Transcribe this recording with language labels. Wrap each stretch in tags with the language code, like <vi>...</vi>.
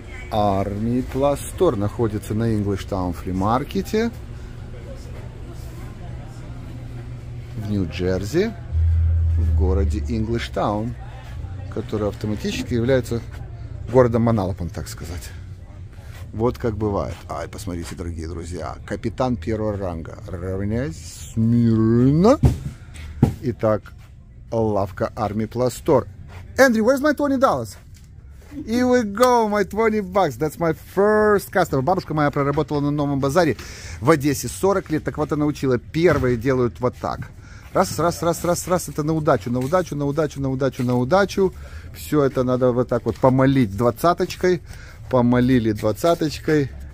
<ru>Army Plus Store находится на English Town Flea Market в Нью-Джерси, в городе English Town, который автоматически является городом Манапом, так сказать. Вот как бывает. Ай, посмотрите, дорогие друзья. Капитан первого ранга. Равняйся. Смирно. Итак, лавка Army Plus Store. Andrew,</ru> <en>where's my $20? Here we go, my $20. That's my first customer.</en> <ru>Бабушка моя проработала на новом базаре в Одессе 40 лет. Так вот она учила. Первые делают вот так. Раз, раз, раз, раз, раз. Это на удачу, на удачу, на удачу, на удачу, на удачу. Все это надо вот так вот помолить двадцаточкой. Помолили двадцаточкой.</ru>